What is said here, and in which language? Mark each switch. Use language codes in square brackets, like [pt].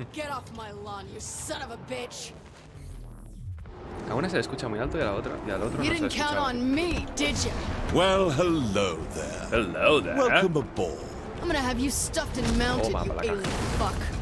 [en] Get off my lawn, you son of a bitch. [es] A una se le escucha muy alto y a la otra no se le escucha. [en] Count on me, did you? Well, hello there. Welcome aboard. I'm gonna have you stuffed and mounted, you alien fuck.